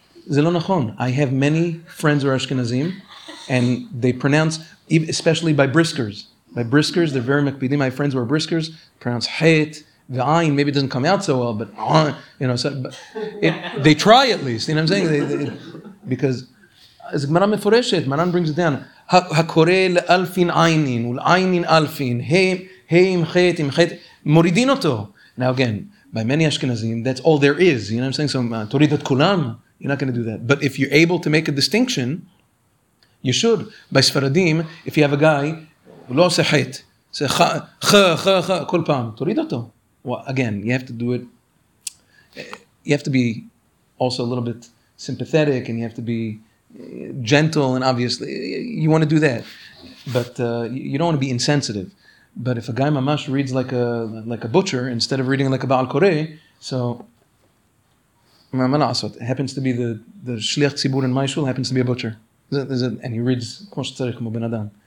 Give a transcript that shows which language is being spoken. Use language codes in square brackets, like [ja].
[he] Zelo nachon. [en] I have many friends who are Ashkenazim, and they pronounce, especially by briskers. By briskers, they're very makbidim. My friends who are briskers pronounce hayit. The ayin maybe doesn't come out so well, but you know, so, but it, they try at least. You know what I'm saying? Because. [he] אז גמרא מפורשת, מרן [en] brings it down. [he] הקורא לאלפין עיינין, ולעיינין אלפין, הם חיית, הם חיית, מורידין אותו. [en] Now again, by many Ashkenazim, that's all there is. You know what I'm saying? So, [he] תוריד את כולם, [en] you're not going to do that. But if you're able to make a distinction, you should. [he] By ספרדים, [en] if you have a guy, [he] הוא לא עושה חיית, זה ח, ח, ח, ח, כל פעם, תוריד אותו. [en] Well, again, you have to do it, you have to be also a little bit sympathetic, and you have to be, gentle and obviously you want to do that, but you don't want to be insensitive. But if a guy mamash reads like a butcher instead of reading like a Baal Kore, so it happens to be the shliach tzibur in my shul happens to be a butcher, and he reads [he] kmo shetzarich kmo ben adam.